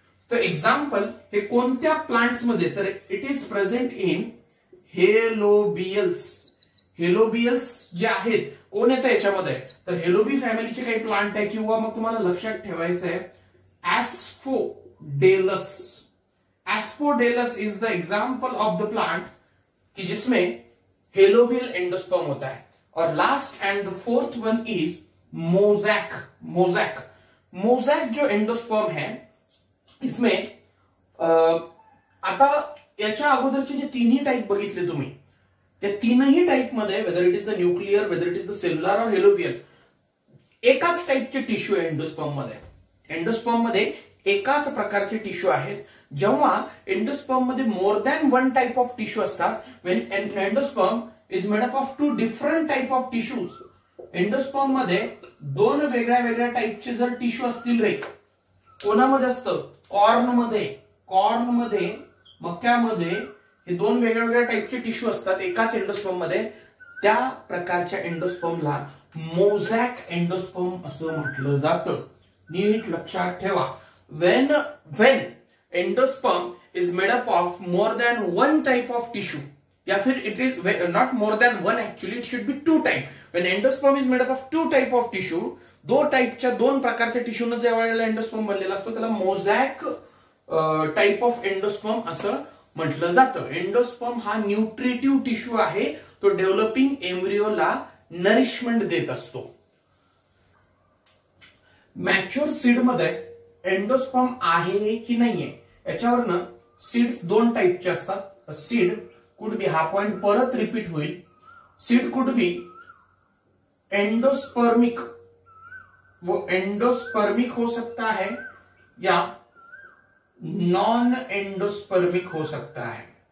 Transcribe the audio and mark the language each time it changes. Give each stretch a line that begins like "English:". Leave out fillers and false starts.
Marathi: तर एक्झाम्पल हे कोणत्या प्लांट्स मध्ये, तर
English: It is present in helobials.
Marathi: हेलोबियल्स जे आहेत कोण येतं याच्यामध्ये, तर हेलोबी फॅमिलीचे काही प्लांट आहे किंवा मग तुम्हाला लक्षात ठेवायचं आहे ऍस्फोडेलस.
English: Asphodelus is the example of the plant
Hindi: की जिसमें हेलोबियल एंडोस्पर्म होता है.
English: और last and fourth one is mosaic.
Marathi: Mosaic mosaic जो एंडोस्पर्म है इसमें आता याच्या अगोदरचे जे तीनही टाईप बघितले तुम्ही, त्या तीनही टाईप मध्ये
English: whether it is the nuclear, whether it is the cellular
Marathi: और हेलोबियल, एकाच टाईपचे टिश्यू आहे एंडोस्पर्म मध्ये. एंडोस्पर्म मध्ये एकाच प्रकारचे टिश्यू आहेत. जेव्हा एंडोस्पर्म मध्ये
English: more than one type of tissue
Marathi: असतात,
English: When endosperm is made up of two different type of tissues.
Marathi: Endosperm मध्ये दोन वेगळ्या वेगळ्या टाइपचे जर टिश्यू असतील रे, कोणामध्ये असतं, कॉर्न मध्ये मक्यामध्ये, हे दोन वेगळ्या वेगळ्या टाइपचे टिश्यू असतात एकाच एंडोस्पर्म मध्ये, त्या प्रकारच्या एंडोस्पर्मला मोजॅक एंडोस्पर्म असं म्हटलं जातं. नीट लक्षात ठेवा,
English: when endosperm is made up of more than one type of tissue,
Hindi: या फिर
English: it is not more than one, actually it should be two type. When endosperm is made up of two type of tissue,
Marathi: though type चा दोन प्रकारचे tissue ना जेव्हा endosperm बनलेला असतो त्याला
English: mosaic type of endosperm
Marathi: असं म्हटलं जातं. एंडोस्पर्म हा न्यूट्रिटिव्ह टिश्यू आहे, तो डेव्हलपिंग एम्ब्रियोला नरिशमेंट देत असतो. मॅच्युअर सीड मध्ये एंडोस्पर्म आहे की नाहीये याच्यावर ना सीड दोन टाईपचे असतात.
English: seed could be,
Marathi: हा पॉइंट परत रिपीट होईल,
Hindi: सीड कुड बी एंडोस्पर्मिक, वो एंडोस्पर्मिक हो सकता है या नॉन एंडोस्पर्मिक हो सकता है.